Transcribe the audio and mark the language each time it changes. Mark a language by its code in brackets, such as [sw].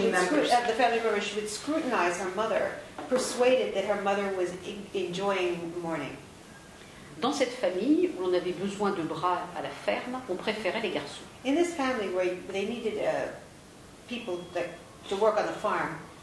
[en] At the funerals of the family, she would scrutinize her mother, persuaded that her mother was enjoying mourning. [fr] Dans cette famille où l'on avait besoin de bras à la ferme, on préférait les garçons. [en] In this family where they needed people to work on the farm.